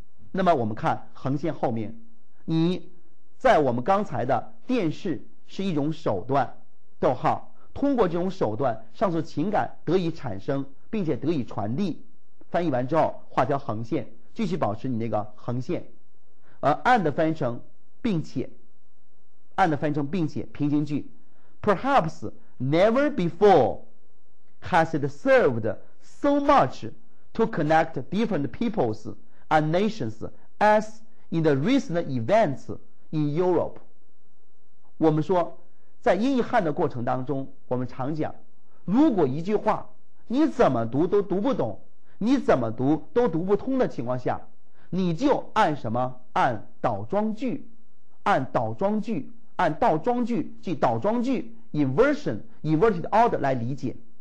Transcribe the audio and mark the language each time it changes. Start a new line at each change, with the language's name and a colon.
Chinese: 那么我们看横线后面，你在我们刚才的电视是一种手段，逗号，通过这种手段上述情感得以产生并且得以传递。翻译完之后画条横线，继续保持你那个横线。而 and 翻译成并且， and 翻译成并且平行句，
English: perhaps never before has it served so much to connect different peoples and nations as in the recent events in Europe。
Chinese: 我们说在英译汉的过程当中，我们常讲，如果一句话你怎么读都读不懂，你怎么读都读不通的情况下，你就按什么？按倒装句，按倒装句，按倒装句，即倒装句
English: inversion inverted order
Chinese: 来理解。